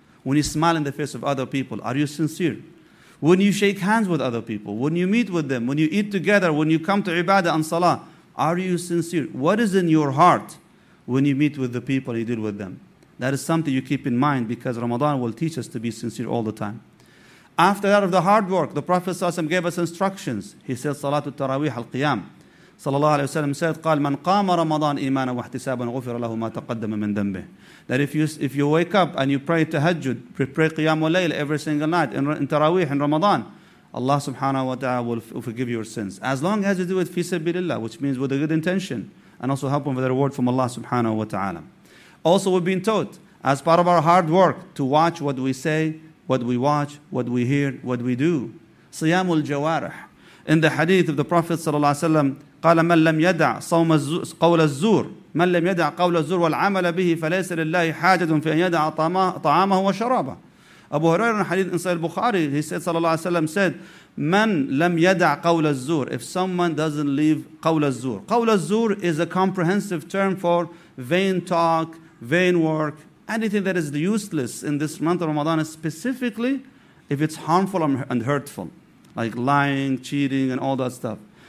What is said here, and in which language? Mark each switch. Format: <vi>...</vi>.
<en>When you smile in the face of other people, are you sincere? When you shake hands with other people, when you meet with them, when you eat together, when you come to ibadah and salah, are you sincere? What is in your heart when you meet with the people you deal with them? That is something you keep in mind, because Ramadan will teach us to be sincere all the time. After that of the hard work, the Prophet ﷺ gave us instructions. He said, Salatul Taraweeh al-Qiyam.</en> <ar>Sallallahu Alaihi Wasallam said, قال من قام رمضان إيمانا واحتسابا غفر له ما تقدم من ذنبه.</ar> <en>That if you wake up and you pray tahajjud, pray qiyam al-layl every single night in Taraweeh, in Ramadan, Allah subhanahu wa ta'ala will forgive your sins. As long as you do it fi sabilillah, which means with a good intention, and also helping with the reward from Allah subhanahu wa ta'ala. Also, we've been taught, as part of our hard work, to watch what we say, what we watch, what we hear, what we do.</en> <ar>Siyamul Jawarih.</ar> <en>In the hadith of the Prophet</en> <ar>sallallahu alayhi wa sallam, قال من لم يدع صوم قول الزور من لم يدع قول الزور والعمل به فليس لله حاجة في أن يدع طعامه وشرابه.</ar> <en>Abu Huraira in hadith in Sahih Bukhari, he said, sallallahu alayhi wa sallam said,</en> <ar>من لم يدع قول الزور.</ar> <en>If someone doesn't leave</en> <ar>قول الزور.</ar> <en>قول الزور is a comprehensive term for vain talk, vain work, anything that is useless in this month of Ramadan, specifically if it's harmful and hurtful, like lying, cheating, and all that stuff.</en>